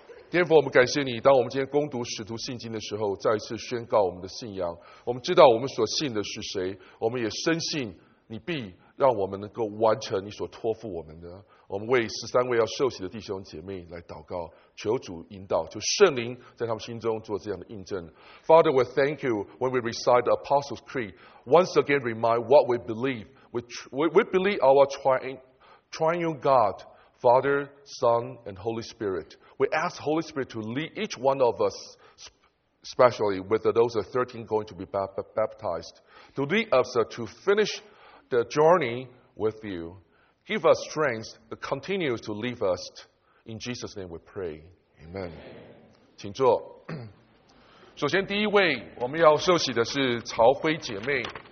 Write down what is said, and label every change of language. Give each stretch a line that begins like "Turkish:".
Chinese: 天父，我们感谢你，当我们今天攻读使徒信经的时候，再一次宣告我们的信仰。我们知道我们所信的是谁，我们也深信你必让我们能够完成你所托付我们的。我们为十三位要受洗的弟兄姐妹来祷告，求主引导，求圣灵在他们心中做这样的印证。
English: Father, we thank you when we recite the Apostles' Creed. Once again remind what we believe. We believe our triune God, Father, Son, and Holy Spirit. We ask Holy Spirit to lead each one of us, especially with those 13 going to be baptized, to lead us to finish the journey with you. Give us strength that continues to lead us. In Jesus' name we pray. Amen.
Chinese: 请坐。首先第一位我们要受洗的是曹辉姐妹。